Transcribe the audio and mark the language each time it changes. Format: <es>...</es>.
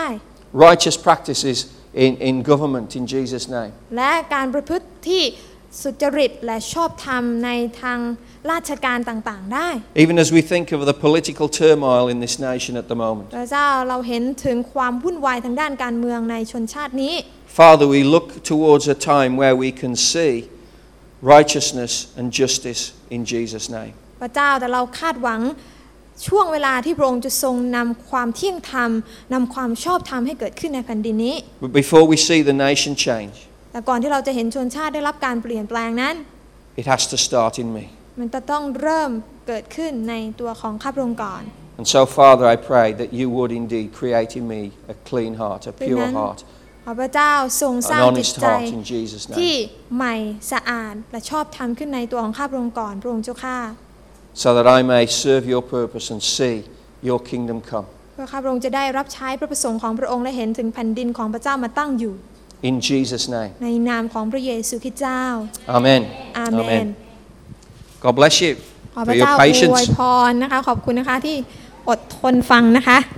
<en>Righteous practices in government in Jesus' name.</en> <th>และการประพฤติที่สุจริตและชอบธรรมในทางราชการต่างๆได้</th> <en>Even as we think of the political turmoil in this nation at the moment.</en> <th>พระเจ้าเราเห็นถึงความวุ่นวายทางด้านการเมืองในชนชาตินี้</th> <en>Father, we look towards a time where we can see righteousness and justice in Jesus' name.</en> <th>พระเจ้าแต่เราคาดหวังช่วงเวลาที่พระองค์จะทรงนำความเที่ยงธรรมนำความชอบธรรมให้เกิดขึ้นในแผ่นดินนี้</th> <en>But before we see the nation change,</en> <th>แต่ก่อนที่เราจะเห็นชนชาติได้รับการเปลี่ยนแปลงนั้น</th> <en>it has to start in me.</en> <th>มันจะต้องเริ่มเกิดขึ้นในตัวของข้าพระองค์ก่อน</th> <en>And so, Father, I pray that you would indeed create in me a clean heart, a pure heart.</en> <th>ขอพระเจ้าทรงสร้างจิตใจที่ใหม่สะอาดและชอบธรรมขึ้นในตัวของข้าพระองค์ก่อนพระองค์เจ้าค่ะ</th> <en>So that I may serve your purpose and see your kingdom come</en> <th>เพื่อข้าพระองค์จะได้รับใช้พระประสงค์ของพระองค์และเห็นถึงแผ่นดินของพระเจ้ามาตั้งอยู่</th> <en>In Jesus name</en> <th>ในนามของพระเยซูคริสต์เจ้า</th> <en>Amen Amen God bless you</en> <th>ขอพระเจ้าอวยพรนะคะขอบคุณนะคะที่อดทนฟังนะคะ</th>